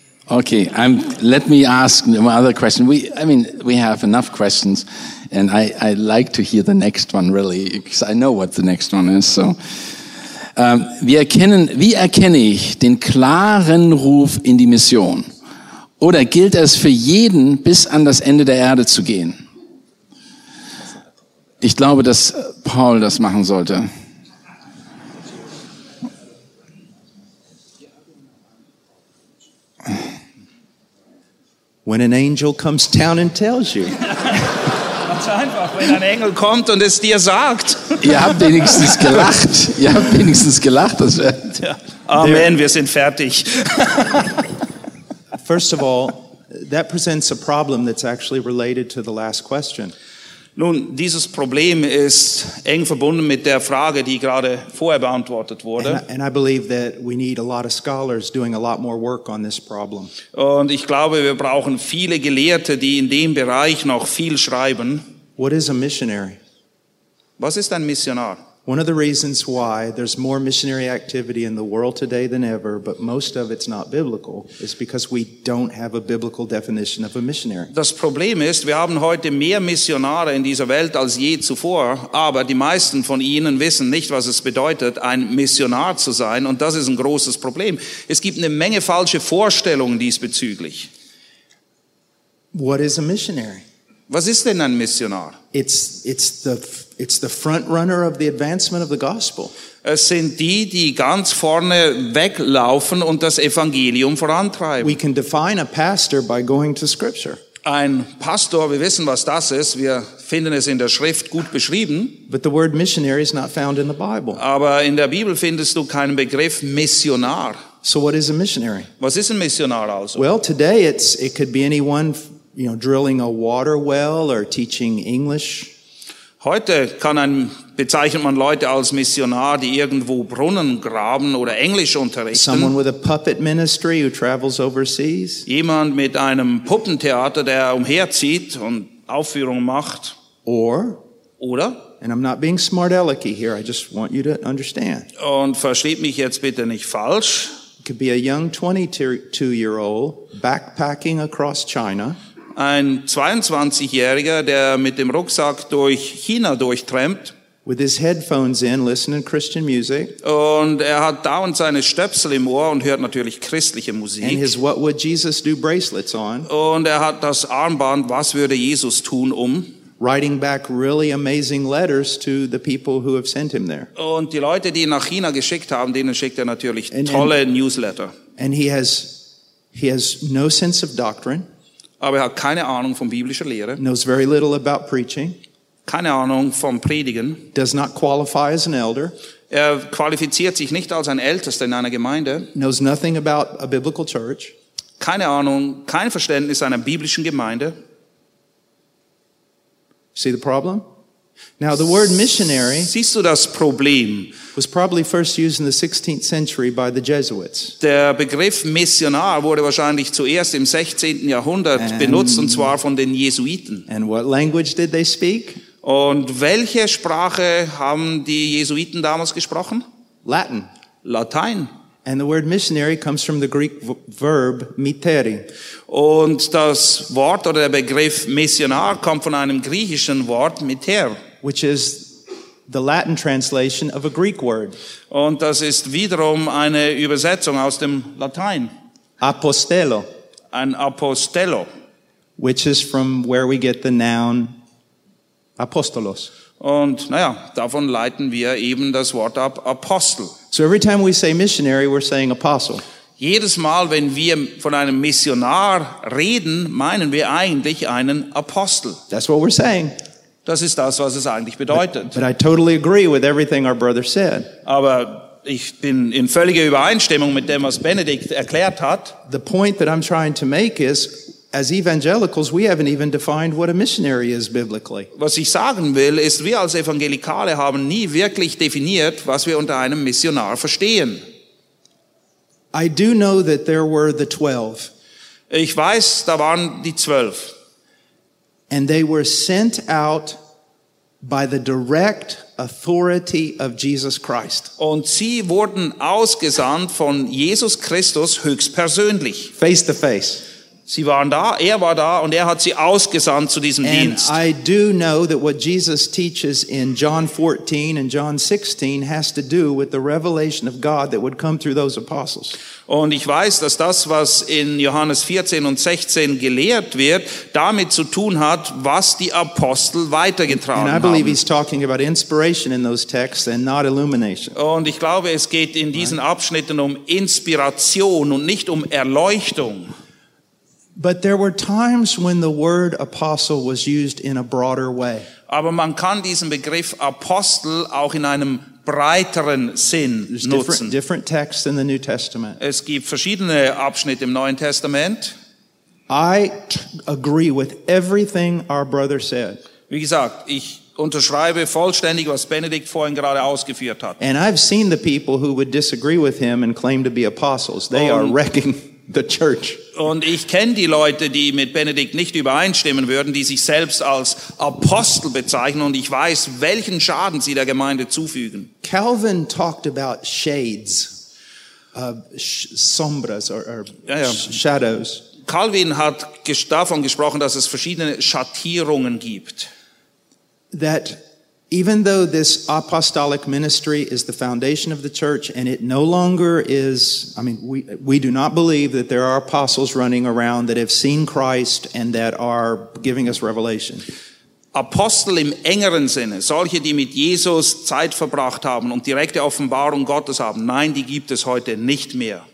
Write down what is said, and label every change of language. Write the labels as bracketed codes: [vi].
[en] Okay, let me ask another question. We have enough questions, and I like to hear the next one really, because I know what the next one is. [de] So, wie erkenne ich den klaren Ruf in die Mission? Oder gilt es für jeden, bis an das Ende der Erde zu gehen? Ich glaube, dass Paul das machen sollte. [en] When an angel comes down and tells you. [de] Ganz einfach, wenn ein Engel kommt und es dir sagt. Ihr habt wenigstens gelacht. Ihr habt wenigstens gelacht. Amen, wir sind fertig. [en] First of all, that presents a problem that's actually related to the last question. [de] Nun, dieses Problem ist eng verbunden mit der Frage, die gerade vorher beantwortet wurde. [en] And I believe that we need a lot of scholars doing a lot more work on this problem. [de] Und ich glaube, wir brauchen viele Gelehrte, die in dem Bereich noch viel schreiben. [en] What is a missionary? [de] Was ist ein Missionar? [en] One of the reasons why there's more missionary activity in the world today than ever, but most of it's not biblical, is because we don't have a biblical definition of a missionary. [de] Das Problem ist, wir haben heute mehr Missionare in dieser Welt als je zuvor, aber die meisten von ihnen wissen nicht, was es bedeutet, ein Missionar zu sein, und das ist ein großes Problem. Es gibt eine Menge falsche Vorstellungen diesbezüglich. [en] What is a missionary? [de] Was ist denn ein Missionar? [en] It's the front runner of the advancement of the gospel. [de] Es sind die, die ganz vorne weglaufen und das Evangelium vorantreiben. [en] We can define a pastor by going to scripture. [de] Ein Pastor, wir wissen, was das ist. Wir finden es in der Schrift gut beschrieben. [en] But the word missionary is not found in the Bible. [de] Aber in der Bibel findest du keinen Begriff Missionar. [en] So what is a missionary? [de] Was ist ein Missionar also? [en] Well, today it could be anyone, you know, drilling a water well or teaching English. [de] Heute bezeichnet man Leute als Missionar, die irgendwo Brunnen graben oder Englisch unterrichten. [en] Someone with a puppet ministry who travels overseas. [de] Jemand mit einem Puppentheater, der umherzieht und Aufführungen macht. Oder? [en] And I'm not being smart-alecky here, I just want you to understand. [de] Und versteht mich jetzt bitte nicht falsch. [en] It could be a young 22-year-old backpacking across China. [de] Ein 22-Jähriger, der mit dem Rucksack durch China durchtrampt. [en] With his headphones in, listening to Christian music. [de] Und hat dauernd seine Stöpsel im Ohr und hört natürlich christliche Musik. [en] And his What Would Jesus Do bracelets on. [de] Und hat das Armband Was Würde Jesus Tun um. [en] Writing back really amazing letters to the people who have sent him there. [de] Und die Leute, die ihn nach China geschickt haben, denen schickt natürlich tolle Newsletter. [en] And he has no sense of doctrine. [de] Aber hat keine Ahnung von biblischer Lehre. [en] Knows very little about preaching. [de] Keine Ahnung vom Predigen. [en] Does not qualify as an elder. [de] Qualifiziert sich nicht als ein Ältester in einer Gemeinde. [en] Knows nothing about a biblical church. [de] Keine Ahnung, kein Verständnis einer biblischen Gemeinde. [en] See the problem? Now the word missionary. [de] Siehst du das Problem? [en] Was probably first used in the 16th century by the Jesuits. [de] Der Begriff Missionar wurde wahrscheinlich zuerst im 16. Jahrhundert benutzt, und zwar von den Jesuiten. [en] And what language did they speak? [de] Und welche Sprache haben die Jesuiten damals gesprochen? [en] Latin. [de] Latein. [en] And the word missionary comes from the Greek verb miteri. [de] Und das Wort oder der Begriff Missionar kommt von einem griechischen Wort miter, [en] which is the Latin translation of a Greek word. [de] Und das ist wiederum eine Übersetzung aus dem Latein. [en] Apostello. [de] Ein Apostello. [en] Which is from where we get the noun apostolos. [de] Und naja, davon leiten wir eben das Wort ab, Apostel. [en] So every time we say missionary, we're saying apostle. [de] Jedes Mal, wenn wir von einem Missionar reden, meinen wir eigentlich einen Apostel. [en] That's what we're saying. [de] Das ist das, was es eigentlich bedeutet. [en] But I totally agree with everything our brother said. [de] Aber ich bin in völliger Übereinstimmung mit dem, was Benedikt erklärt hat. [en] The point that I'm trying to make is, as evangelicals, we haven't even defined what a missionary is biblically. [de] Was ich sagen will, ist, wir als Evangelikale haben nie wirklich definiert, was wir unter einem Missionar verstehen. [en] I do know that there were the 12. [de] Ich weiß, da waren die 12. [en] And they were sent out by the direct authority of Jesus Christ. [de] Und sie wurden ausgesandt von Jesus Christus höchstpersönlich. [en] Face to face. [de] Sie waren da, war da und hat sie ausgesandt zu diesem [en] and [de] Dienst. [en] I do know that what Jesus teaches in John 14 and John 16 has to do with the revelation of God that would come through those apostles. [de] Und ich weiß, dass das, was in Johannes 14 und 16 gelehrt wird, damit zu tun hat, was die Apostel weitergetragen haben. [en] And I believe he's talking about inspiration in those texts and not illumination. [de] Und ich glaube, es geht in diesen Abschnitten um Inspiration und nicht um Erleuchtung. [en] But there were times when the word apostle was used in a broader way. [de] Aber man kann diesen Begriff Apostel auch in einem breiteren Sinn nutzen. [en] Different texts in the New Testament. [de] Es gibt verschiedene Abschnitte im Neuen Testament. [en] I agree with everything our brother said. [de] Wie gesagt, ich unterschreibe vollständig, was Benedikt vorhin gerade ausgeführt hat. [en] And I've seen the people who would disagree with him and claim to be apostles. They are wrecking the church. [de] Und ich kenne die Leute, die mit Benedikt nicht übereinstimmen würden, die sich selbst als Apostel bezeichnen, und ich weiß, welchen Schaden sie der Gemeinde zufügen. [en] Calvin talked about shades, sombras or shadows. [de] Calvin hat davon gesprochen, dass es verschiedene Schattierungen gibt. [en] That even though this apostolic ministry is the foundation of the church and it no longer is, I mean, we do not believe that there are apostles running around that have seen Christ and that are giving us revelation. [de] Apostel im engeren Sinne, solche, die mit Jesus Zeit verbracht haben und direkte Offenbarung Gottes haben, nein, die gibt es heute nicht mehr.